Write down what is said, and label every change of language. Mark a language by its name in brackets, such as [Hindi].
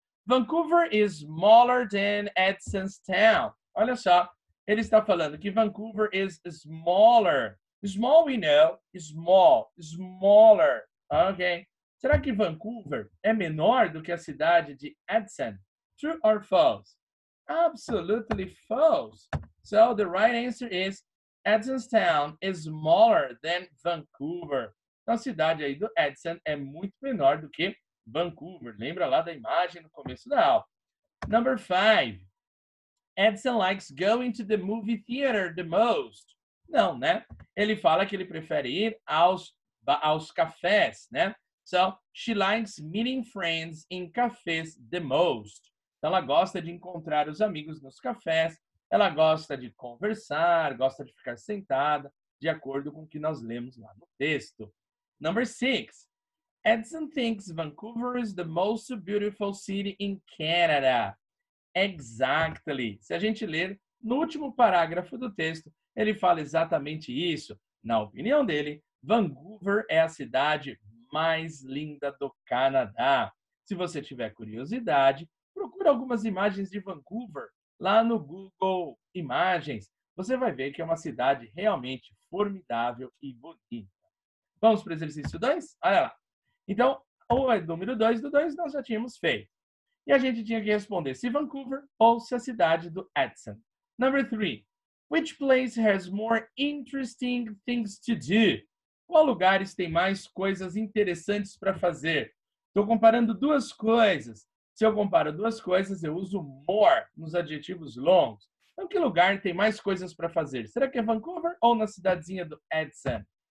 [English] Vancouver is smaller than Edsonstown. [Portuguese] Olha só, ele está falando que [English] Vancouver is smaller. Small, we know, small, smaller. Ok. [Portuguese] Será que Vancouver é menor do que a cidade de Edson? [English] True or false? Absolutely false. So, the right answer is Edsonstown is smaller than Vancouver. [Portuguese] Então, a cidade aí do Edson é muito menor do que Vancouver. Lembra lá da imagem no começo da aula. [English] Number 5. Edson likes going to the movie theater the most. [Portuguese] Não, né? Ele fala que ele prefere ir aos cafés, né? [English] So, she likes meeting friends in cafes the most. [Portuguese] Então, ela gosta de encontrar os amigos nos cafés, ela gosta de conversar, gosta de ficar sentada, de acordo com o que nós lemos lá no texto. [English] Number 6. Edson thinks Vancouver is the most beautiful city in Canada. Exactly. [Portuguese] Se a gente ler no último parágrafo do texto, ele fala exatamente isso. Na opinião dele, Vancouver é a cidade mais linda do Canadá. Se você tiver curiosidade, procure algumas imagens de Vancouver lá no Google Imagens. Você vai ver que é uma cidade realmente formidável e bonita. Vamos para o exercício 2? Olha lá. Então, o número 2 do 2 nós já tínhamos feito. E a gente tinha que responder se Vancouver ou se a cidade do Edson. [English] Number 3. Which place has more interesting things to do? [Portuguese] Qual lugar tem mais coisas interessantes para fazer? Estou comparando duas coisas. Se eu comparo duas coisas, eu uso more nos adjetivos longos. Então, que lugar tem mais coisas para fazer? Será que é Vancouver ou na cidadezinha do Edson?